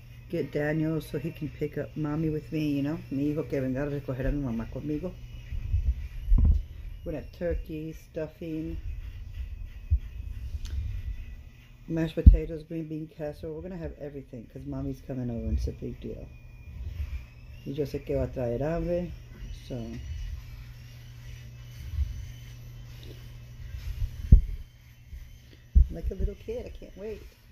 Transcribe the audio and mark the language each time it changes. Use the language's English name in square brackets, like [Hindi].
[English] Get Daniel so he can pick up Mami with me, you know? [Spanish] Mi hijo que venga a recoger a mi mamá conmigo. [English] We're gonna have turkey, stuffing, mashed potatoes, green bean casserole. We're gonna have everything because mommy's coming over and it's a big deal. [Spanish] Y yo sé que va a traer hambre, [English] so. I'm like a little kid, I can't wait.